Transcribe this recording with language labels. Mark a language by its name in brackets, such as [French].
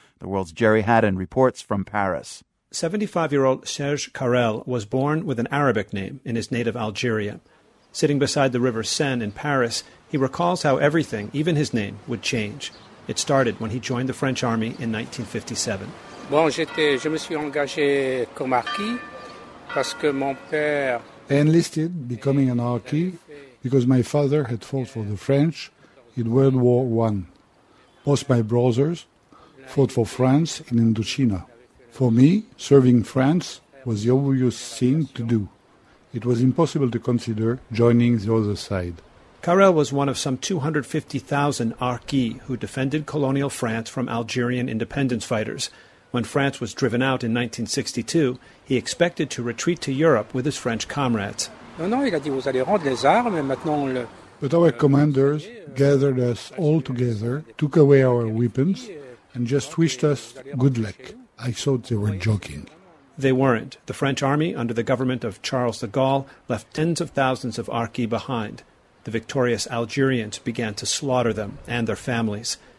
[English] The World's Jerry Haddon reports from Paris. 75-year-old Serge Carrel was born with an Arabic name in his native Algeria. Sitting beside the River Seine in Paris, he recalls how everything, even his name, would change. It started when he joined the French army in 1957. [French] Bon, je me suis engagé comme Arki parce que mon père... [English] I enlisted, becoming an Arki, because my father had fought for the French in World War I. Both my brothers fought for France in Indochina. For me, serving France was the obvious thing to do. It was impossible to consider joining the other side. Karel was one of some 250,000 Arki who defended colonial France from Algerian independence fighters. When France was driven out in 1962, he expected to retreat to Europe with his French comrades. [French] No, no, il a dit, vous allez rendre les armes, maintenant le... [English] But our commanders gathered us all together, took away our weapons, and just wished us good luck. I thought they were joking. They weren't. The French army, under the government of Charles de Gaulle, left tens of thousands of Arki behind. The victorious Algerians began to slaughter them and their families.